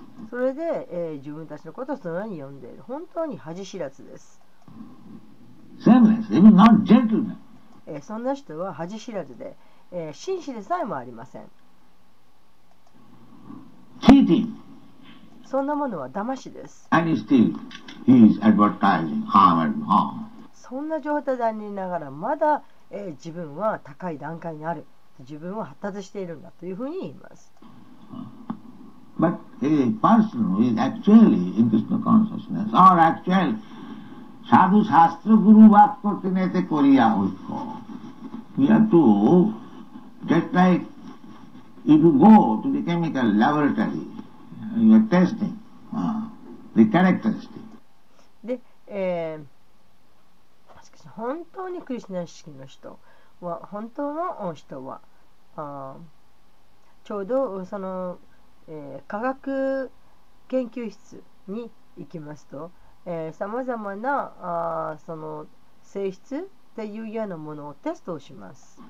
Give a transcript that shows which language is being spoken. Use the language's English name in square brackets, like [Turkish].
[Japanese] それで、自分たちのことをそのように呼んでいる。本当に恥知らずです。 [English] Shameless. Even not gentlemen. [Japanese] そんな人は恥知らずで、紳士でさえもありません。 [English] Cheating. [Japanese] そんなものは騙しです。 [English] And still, he is advertising harm and harm. [Japanese] そんな状態でありながらまだ、自分は高い段階にある、自分は発達しているんだというふうに言います。 [English] But a person who is actually in Krishna consciousness or actually [Bangla] sadhu shastra guru vat kartinete koriya oiko. [English] We have to, just like if you go to the chemical laboratory, you are testing the characteristic. [Japanese] で、しかし本当にクリシナ式の人は、本当の人は、ちょうどその科学研究室に行きますと、さまざまなその性質というようなものをテストをします。